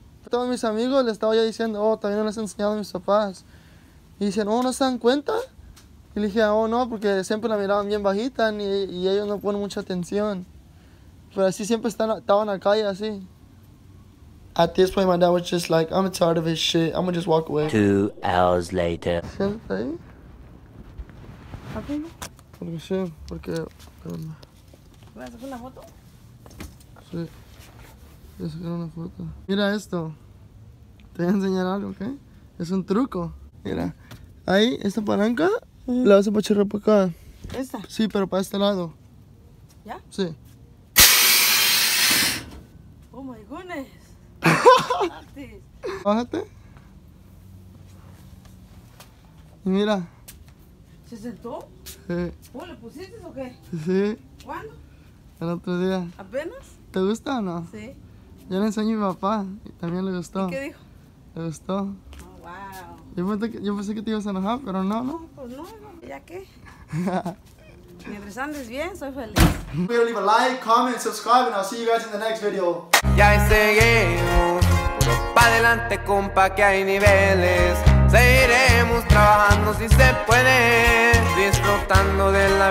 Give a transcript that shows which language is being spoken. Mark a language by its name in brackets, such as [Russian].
[Spanish] Todos mis amigos le estaba ya diciendo, oh, todavía no les he enseñado a mis papás. Y dicen, oh, ¿no se dan cuenta? Y le dije, oh, no, porque siempre la miraban bien bajita y ellos no ponen mucha atención. Pero así siempre estaban en la calle así. [English] At this point, my dad was just like, I'm tired of his shit, I'm gonna just walk away. 2 hours later. [Spanish] ¿Sienta ahí? ¿Papi? Porque sí, porque. Perdón. ¿Vas a sacar una foto? Sí. Voy a sacar una foto. Mira esto. Te voy a enseñar algo, ¿ok? Es un truco. Mira. Ahí, esta palanca, la vas a echar para acá. ¿Esta? Sí, pero para este lado. ¿Ya? Sí. [English] Oh my goodness. [Spanish] Bájate. Y mira. ¿Se sentó? Sí. ¿Cómo le pusiste o qué? Sí. ¿Cuándo? El otro día. ¿Apenas? ¿Te gusta o no? Sí. Yo le enseñé a mi papá y también le gustó. ¿Y qué dijo? Le gustó. [English] Oh, wow. [Spanish] Yo pensé que te ibas a enojar, pero no, ¿no? Pues no, ¿ya qué? Mientras andes bien, soy feliz. [English] Please leave a like, comment, subscribe, and I'll see you guys in the next video. [Spanish] Ya seguimos, pa' adelante compa, que hay niveles. Seguiremos trabajando si se puede, disfrutando de